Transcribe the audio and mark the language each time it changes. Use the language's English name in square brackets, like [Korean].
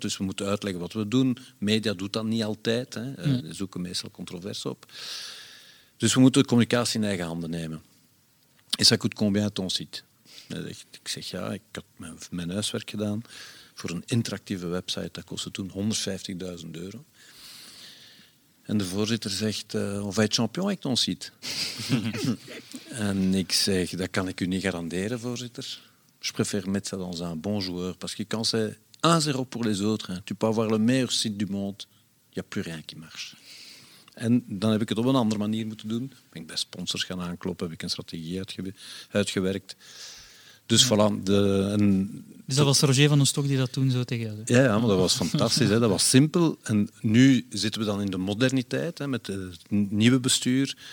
[Dutch] Dus we moeten uitleggen wat we doen. Media doet dat niet altijd. Hè. Ze zoeken meestal controverse op. Dus we moeten de communicatie in eigen handen nemen. Is dat goed, combien ton ziet? Ik zeg ja, ik had mijn huiswerk gedaan voor een interactieve website. Dat kostte toen 150.000 euro. En de voorzitter zegt, [French] on va être champion avec ton site. [Dutch] En ik zeg, dat kan ik u niet garanderen, voorzitter. [French] Je préfère mettre ça dans un bon joueur. Parce que quand c'est 1-0 pour les autres, hein, tu peux avoir le meilleur site du monde, il n'y a plus rien qui marche. [Dutch] En dan heb ik het op een andere manier moeten doen. Ben ik bij sponsors gaan aankloppen, heb ik een strategie uitgewerkt. Dus voilà. Dus dat was Roger van den Stok die dat toen zo tegen had. Ja, maar dat was fantastisch. Hè. Dat was simpel. En nu zitten we dan in de moderniteit, hè, met het nieuwe bestuur.